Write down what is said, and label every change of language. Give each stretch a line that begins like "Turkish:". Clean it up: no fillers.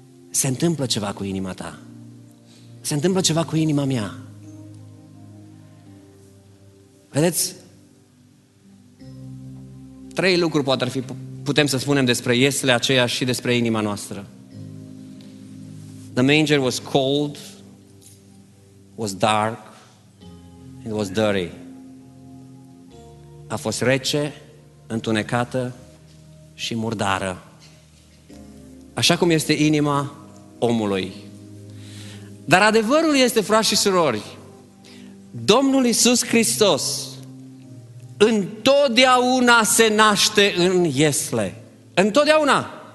Romanian: Se întâmplă ceva cu inima ta. Se întâmplă ceva cu inima mea. Vedeți? Trei lucruri poate ar fi, putem să spunem despre iesle aceea și despre inima noastră.
English: The manger was cold, was dark, it was dirty.
Romanian: a fost rece, întunecată și murdară. Așa cum este inima omului. Dar adevărul este, frați și surori, Domnul Iisus Hristos întotdeauna se naște în iesle. Întotdeauna.